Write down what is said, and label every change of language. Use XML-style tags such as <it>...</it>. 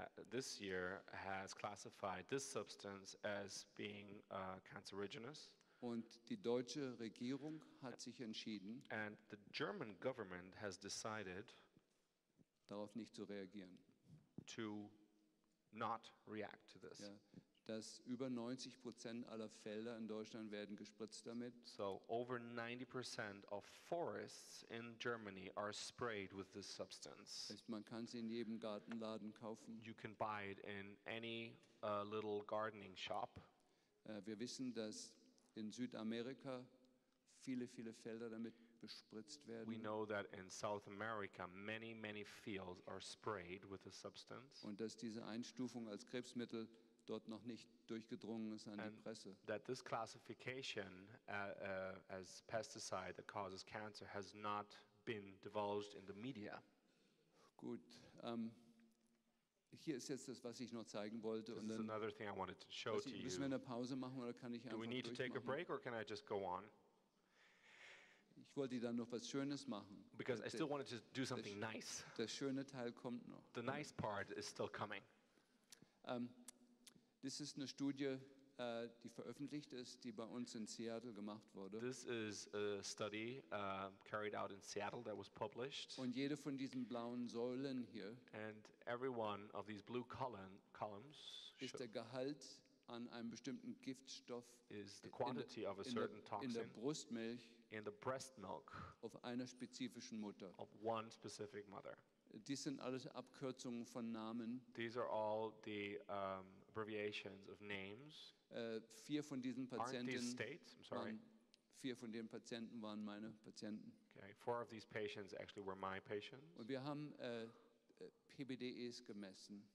<en>This year has classified this substance as being cancerogenous.</en> <de>Und die deutsche Regierung hat sich entschieden,</de> <en>and the German government has decided</en> <de>darauf nicht zu reagieren,</de> <en>to not react to this. Yeah.</en> <de>Dass über 90% aller Felder in Deutschland werden gespritzt damit.</de> <en>So over 90% of forests in Germany are sprayed with this substance.</en> <de>Man kann es in jedem Gartenladen kaufen.</de> <en>You can buy it in any little gardening shop.</en> <de>Wir wissen, dass in Südamerika viele, viele Felder damit bespritzt werden.</de> <en>We know that in South America many, many fields are sprayed with the substance.</en> <de>Und dass diese Einstufung als Krebsmittel dort noch nicht durchgedrungen ist an</de> <en>and</en> <de>die Presse.</de> <en>That this classification as pesticide that causes cancer has not been divulged in the media.</en> <de>Gut, hier ist jetzt das, was ich noch zeigen wollte.</de> <en>This is another thing I wanted to show to you.</en> <de>Müssen wir eine Pause machen oder kann ich einfach</de> <en>Do we need to take a break or can I just go on?</en> <de>Ich wollte dann noch was Schönes machen.</de> <en>Because I still wanted to do something nice.</en> <de>Das schöne Teil kommt noch.</de> <en>The nice part is still coming.</en> <de>Das ist eine Studie, die veröffentlicht ist, die bei uns in Seattle gemacht wurde.</de> <en>This is a study carried out in Seattle that was published.</en> <de>Und jede von diesen blauen Säulen hier</de> <en>and every one of these blue columns</en> <de>ist der Gehalt an einem bestimmten Giftstoff</de> <en>is the quantity of a certain toxin</en> <de>in der Brustmilch</de> <en>in the breast milk</en> <de>auf einer spezifischen Mutter.</de> <en>Of one specific mother.</en> <de>Dies sind alles Abkürzungen von Namen.</de> <en>These are all the abbreviations of names.</en> <de>Vier von diesen Patienten.</de> <en>Aren't these states? I'm sorry.</en> <de>Vier von den Patienten waren meine Patienten.</de> <en>Okay, four of these patients actually were my patients.</en> <de>Und wir haben PBDEs gemessen.</de>